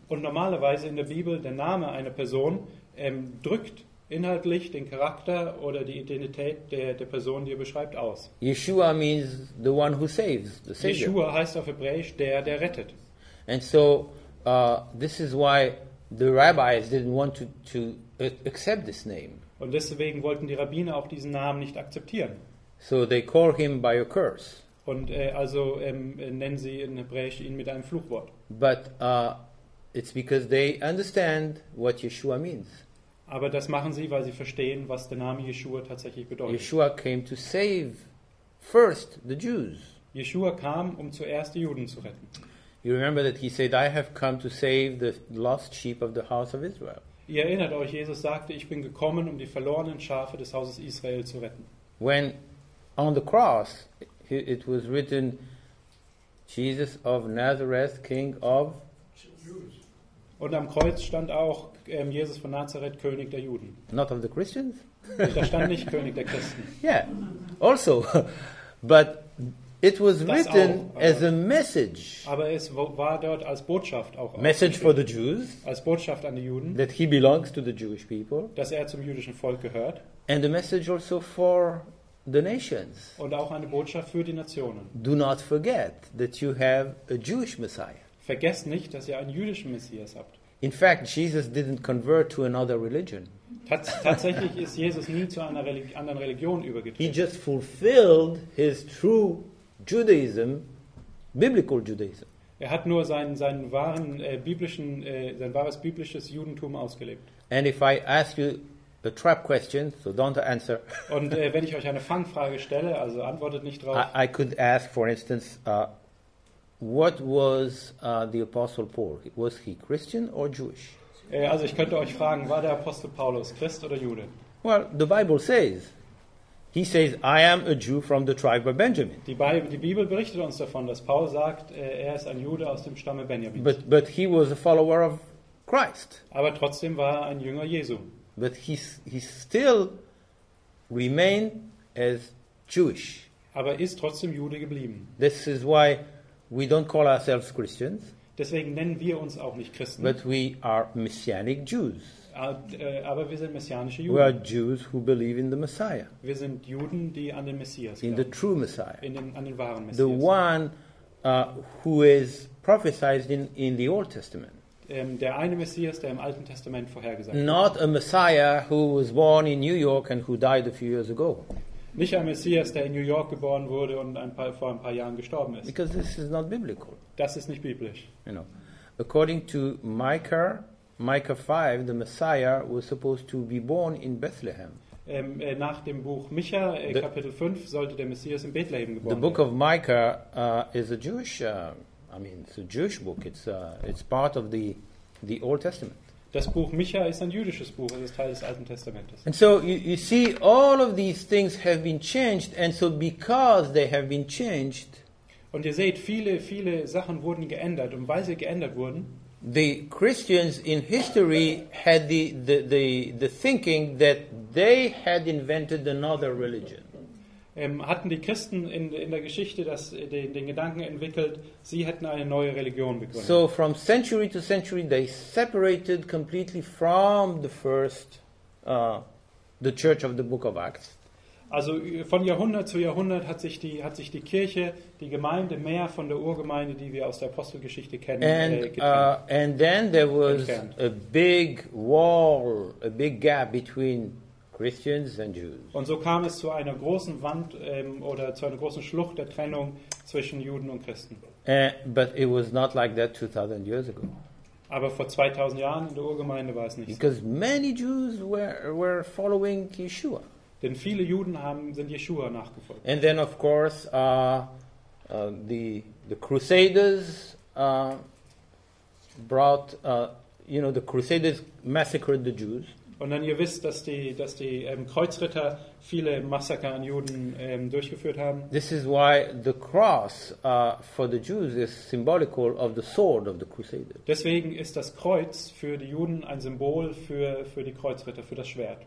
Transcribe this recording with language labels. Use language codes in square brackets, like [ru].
[de] Und normalerweise in der Bibel der Name einer Person drückt inhaltlich den Charakter oder die Identität der Person, die er beschreibt, aus. [en] Yeshua means the one who saves, the Savior. [de] Yeshua heißt auf Hebräisch der rettet. [en] And so this is why the rabbis didn't want to accept this name. [de] Und deswegen wollten die Rabbiner auch diesen Namen nicht akzeptieren. [en] So they call him by a curse. [de] Und nennen sie in Hebräisch ihn mit einem Fluchwort. [en] But it's because they understand what Yeshua means. [de] Aber das machen sie, weil sie verstehen, was der Name Yeshua tatsächlich bedeutet. [en] Yeshua came to save first the Jews. [de] Yeshua kam, um zuerst die Juden zu retten. [en] You remember that he said, "I have come to save the lost sheep of the house of Israel." [de] Ihr erinnert euch, Jesus sagte, ich bin gekommen, um die verlorenen Schafe des Hauses Israel zu retten. [en] When on the cross it was written, "Jesus of Nazareth, King of." [de] Und am Kreuz stand auch Jesus von Nazareth, König der Juden. [en] Not of the Christians? [de] Da stand nicht König der Christen. [en] Yeah, also, but it was written as a message. [de] Aber es war dort als Botschaft auch. [en] Message for the Jews. [de] Als Botschaft an die Juden. [en] That he belongs to the Jewish people. [de] Dass er zum jüdischen Volk gehört. [en] And a message also for the nations. [de] Und auch eine Botschaft für die Nationen. [en] Do not forget that you have a Jewish Messiah. [de] Vergesst nicht, dass ihr einen jüdischen Messias habt. [en] In fact, Jesus didn't convert to another religion. [de] Tatsächlich ist Jesus nie zu einer anderen Religion übergetreten. [en] He just fulfilled his true Judaism, biblical Judaism. [de] Er hat nur sein wahres biblisches Judentum ausgelebt. [en] And if I ask you a trap question, so don't answer. [de] Und wenn ich euch eine Fangfrage stelle, also antwortet nicht drauf. [en] I could ask, for instance, what was the Apostle Paul? Was he Christian or Jewish? [de] Also ich könnte euch fragen, war der Apostel Paulus Christ oder Jude? [en] Well, the Bible says, he says, I am a Jew from the tribe of Benjamin. [de] Die Bibel berichtet uns davon, dass Paul sagt, er ist ein Jude aus dem Stamme Benjamin. [en] But he was a follower of Christ. [de] Aber trotzdem war er ein Jünger Jesu. [en] But he still remained as Jewish. [de] Aber ist trotzdem Jude geblieben. [en] This is why we don't call ourselves Christians. [de] Deswegen nennen wir uns auch nicht Christen. [en] But we are Messianic Jews. [de] Aber wir sind messianische Juden. [en] We are Jews who believe in the Messiah. [de] Wir sind Juden, die an den Messias glauben. [en] In the true Messiah. [de] An den wahren Messias. [en] The one who is prophesied in the Old Testament. [de] der eine Messias, der im Alten Testament vorhergesagt wurde. [en] Not a Messiah who was born in New York and who died a few years ago. [de] Nicht ein Messias, der in New York geboren wurde und vor ein paar Jahren gestorben ist. [en] Because this is not biblical. [de] Das ist nicht biblisch. [en] You know, according to Micah 5, the Messiah was supposed to be born in Bethlehem. [de] Nach dem Buch Micha, Kapitel 5, sollte der Messias in Bethlehem geboren werden. [en] The book of Micah is a Jewish, it's a Jewish book. It's part of the Old Testament. [de] Das Buch Micha ist ein jüdisches Buch, es ist Teil des Alten Testamentes. [en] And so you see, all of these things have been changed, and so because they have been changed, [de] und ihr seht, viele Sachen wurden geändert, und weil sie geändert wurden, [en] the Christians in history had the thinking that they had invented another religion. [de] Hatten die Christen in der Geschichte den Gedanken entwickelt, sie hätten eine neue Religion begründet. [en] So from century to century they separated completely from the first the church of the book of Acts. [de] Also von Jahrhundert zu Jahrhundert hat sich die Kirche, die Gemeinde mehr von der Urgemeinde, die wir aus der Apostelgeschichte kennen, getrennt. [en] And then there was a big wall, a big gap between Christians and Jews. [de] Und so kam es zu einer großen Wand oder zu einer großen Schlucht der Trennung zwischen Juden und Christen. [en] But it was not like that 2000 years ago. [de] Aber vor 2000 Jahren in der Urgemeinde war es nicht. [en] Because many Jews were following Yeshua. [de] Denn viele Juden sind Yeshua nachgefolgt. [en] And then of course the Crusaders brought the Crusaders massacred the Jews. [de] Und dann ihr wisst, dass die Kreuzritter viele Massaker an Juden durchgeführt haben. [en] This is why the cross for the Jews is symbolical of the sword of the Crusader. [de] Deswegen ist das Kreuz für die Juden ein Symbol für die Kreuzritter, für das Schwert.